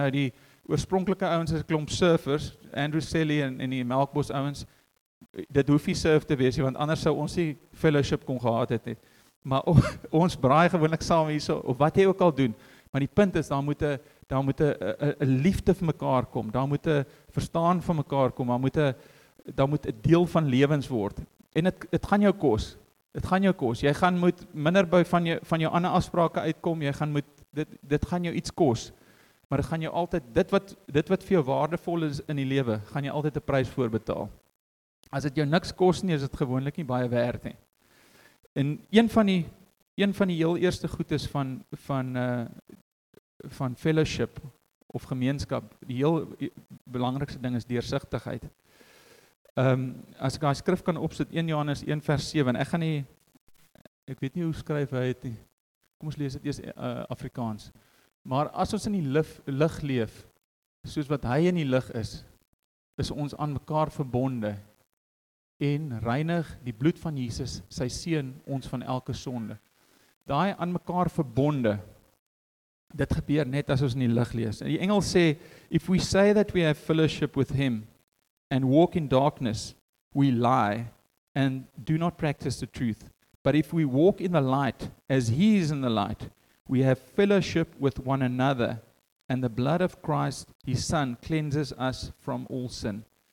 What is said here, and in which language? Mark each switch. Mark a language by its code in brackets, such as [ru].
[af] Nou die oorspronkelike ouens is klomp surfers, Andrew Selly en die Melkbos ouens, dit hoef nie surf te wees, want anders sou ons die fellowship kon gehad het, nie. Maar ons braai gewoonlik saam hier so, of wat jy ook al doen, maar die punt is, daar moet 'n liefde vir mekaar kom, daar moet 'n verstaan van mekaar kom, daar moet 'n deel van lewens word. En het gaan jou kos, het gaan jou kos. Jy gaan moet minder by van jou ander afsprake uitkom, jy gaan moet, dit gaan jou iets kos, maar dit gaan jou altyd, dit wat vir jou waardevol is in die lewe, gaan jy altyd 'n prys voor betaal. As dit jou niks kos nie, is dit gewoonlik nie baie werd nie. En een van die heel eerste goedes van fellowship of gemeenskap, die heel belangrikste ding is deursigtigheid. As ek die skrif kan opsit, 1 Johannes 1 vers 7, en ek weet nie hoe skryf hy het nie, kom ons lees het eers Afrikaans, maar as ons in die lig leef, soos wat hy in die lig is, is ons aan mekaar verbonde, en reinig die bloed van Jesus, sy seun, ons van elke sonde. Daai aan mekaar verbonde, dit gebeur net as ons in die lig lees. Die Engels sê, [en] if we say that we have fellowship with him and walk in darkness, we lie and do not practice the truth. But if we walk in the light as he is in the light, we have fellowship with one another and the blood of Christ, his son, cleanses us from all sin.